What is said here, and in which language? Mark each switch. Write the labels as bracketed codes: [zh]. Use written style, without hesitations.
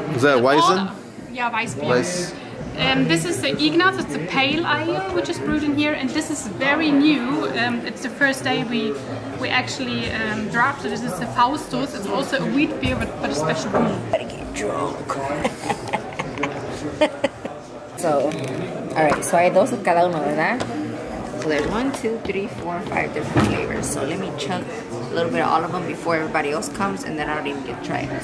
[en] Is that Weizen? Yeah, Weiss beer. Weiss. This is the Ignaz, it's a pale ale which is brewed in here, and this is very new. It's the first day we actually drafted it. This is the Faustus. It's also a wheat beer, but a special brew. Better get drunk. So, alright, so [es] hay dos cada uno, ¿verdad? [en] So there's 1, 2, 3, 4, 5 different flavors. So let me chug a little bit of all of them before everybody else comes, and then I don't even get to try it.